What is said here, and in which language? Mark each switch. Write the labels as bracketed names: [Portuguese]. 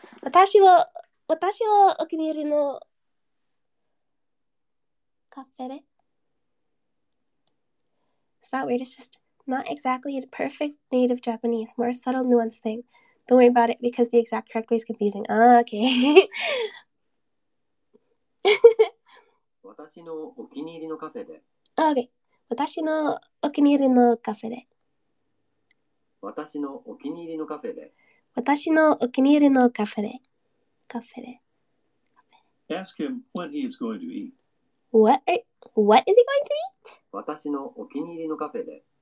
[Japanese] 私のお気に入りのカフェで [English] It's not weird, it's just not exactly a perfect native Japanese, more subtle nuance thing. Don't worry about it because the exact correct way is confusing. Ah, okay. [Japanese] 私のお気に入りのカフェで。 [English] Okay. [Japanese] 私のお気に入りのカフェで。私のお気に入りのカフェで。私のお気に入りのカフェで。カフェで。 [English] Ask him when he is going to eat. What is he going to eat? [Japanese] 私のお気に入りのカフェで。